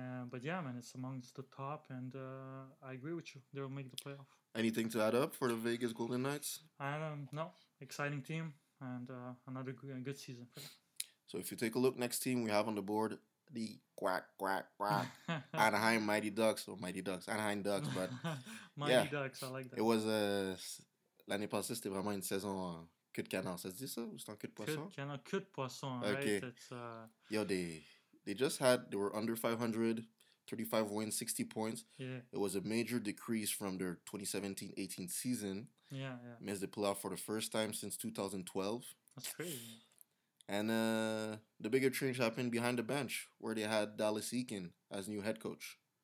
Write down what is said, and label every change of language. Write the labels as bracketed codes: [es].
[en] But yeah, man, it's amongst the top, and I agree with you. They'll make the playoff. Anything to add up for the Vegas Golden Knights? No. Exciting team, and another good season for them. So if you take a look, next team we have on the board, the quack, quack, quack, Anaheim Mighty Ducks, or Mighty Ducks, Anaheim Ducks, but Mighty yeah. Ducks, I like that. It was [fr] l'année passée, c'était vraiment une saison... Queue de canard, ça se dit ça? Ou c'est un queue de poisson? Queue de canard, queue de poisson, [en] okay. Right? Yo, they just had, they were under 500, 35 wins, 60 points. Yeah. It was a major decrease from their 2017-18 season. Yeah. Missed the playoff for the first time since 2012. That's crazy. And the bigger change happened behind the bench, where they had Dallas Eakin as new head coach.